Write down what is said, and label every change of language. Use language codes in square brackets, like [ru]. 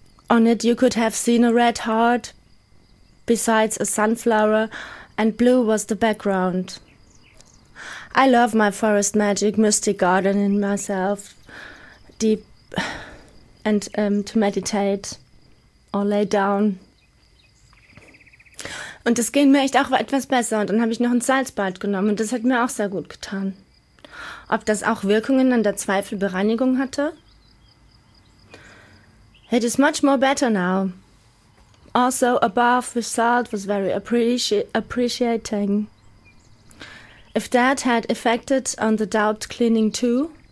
[en] On it you could have seen a red heart, besides a sunflower, and blue was the background. I love my forest magic, mystic garden in myself. and to meditate or lay down. [de] Und das ging mir echt auch etwas besser. Und dann habe ich noch ein Salzbad genommen und das hat mir auch sehr gut getan. Ob das auch Wirkungen an der Zweifelbereinigung hatte? [en] It is much more better now. Also, a bath with salt was very appreciating. If that had affected on the doubt cleaning too.